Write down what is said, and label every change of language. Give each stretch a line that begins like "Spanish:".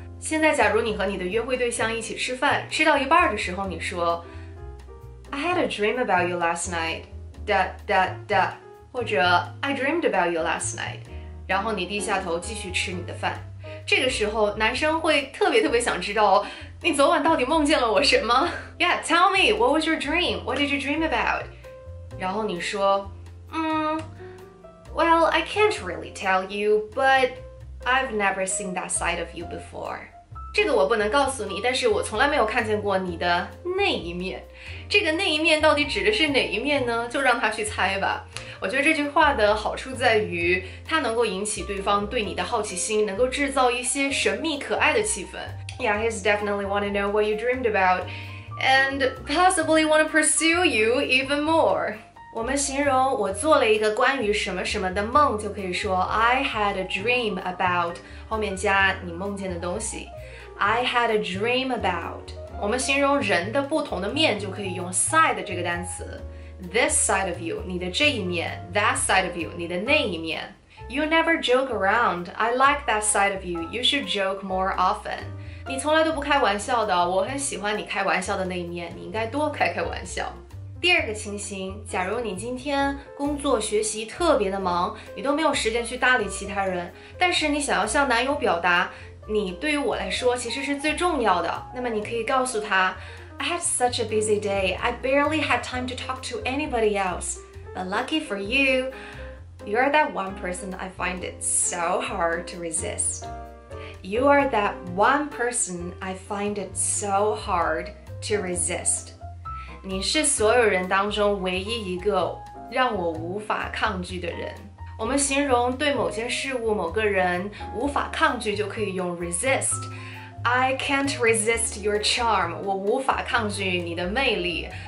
Chinese: 现在假如你和你的约会对象一起吃饭，吃到一半的时候你说
English: I had a dream about you last night, da da
Chinese: da, 或者
English: I dreamed about you last night,
Chinese: 然后你低下头继续吃你的饭。这个时候男生会特别特别想知道，你昨晚到底梦见了我什么？
English: Yeah, tell me, what was your dream? What did you dream about?
Chinese: 然后你说
English: well, I can't really tell you, butI've never seen that side of you before.
Chinese: 这个我不能告诉你，但是我从来没有看见过你的那一面。这个那一面到底指的是哪一面呢？就让他去猜吧。我觉得这句话的好处在于，它能够引起对方对你的好奇心，能够制造一些神秘可爱的气氛。
English: Yeah, he's definitely want to know what you dreamed about, and possibly want to pursue you even more.
Chinese: 我们形容我做了一个关于什么什么的梦，就可以说
English: I had a dream about,
Chinese: 后面加你梦见的东西。
English: I had a dream about。
Chinese: 我们形容人的不同的面，就可以用 side 这个单词。
English: This side of you,
Chinese: 你的这一面。
English: That side of you,
Chinese: 你的那一面。
English: You never joke around, I like that side of you, you should joke more often。
Chinese: 你从来都不开玩笑的，我很喜欢你开玩笑的那一面，你应该多开开玩笑。第二个情形，假如你今天工作学习特别的忙，你都没有时间去搭理其他人，但是你想要向男友表达你对于我来说其实是最重要的，那么你可以告诉他
English: I had such a busy day, I barely had time to talk to anybody else, but lucky for you, you're that one person I find it so hard to resist. You are that one person I find it so hard to resist.
Chinese: 你是所有人当中唯一一个让我无法抗拒的人。我们形容对某件事物、某个人无法抗拒，就可以用 resist。
English: I can't resist your charm.
Chinese: 我无法抗拒你的魅力。